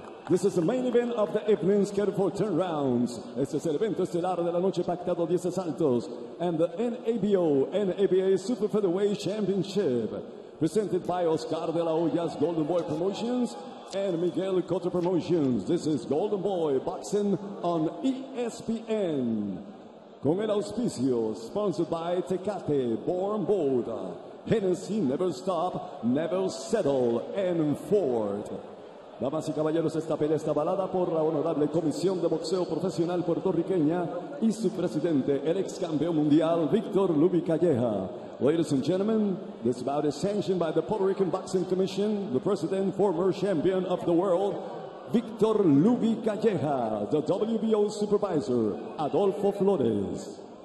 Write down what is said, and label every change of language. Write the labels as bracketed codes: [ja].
[en] This is the main event of the evening, scheduled for 10 rounds. [es] Este es el evento estelar de la noche, pactado 10 asaltos. [en] And the NABA Super Featherweight Championship, presented by Oscar de la Hoya's Golden Boy Promotions and Miguel Cotto Promotions. This is Golden Boy Boxing on ESPN. [es] Con el auspicio, [en] sponsored by Tecate, Born Bold, Hennessy Never Stop, Never Settle, and Ford. [es] Damas y caballeros, esta pelea está avalada por la Honorable Comisión de Boxeo Profesional Puertorriqueña y su presidente, el ex campeón mundial, Víctor Lubi Calleja. [en] Ladies and gentlemen, this bout is sanctioned by the Puerto Rican Boxing Commission, the president, former champion of the world, Víctor Lubi Calleja, the WBO supervisor, Adolfo Flores.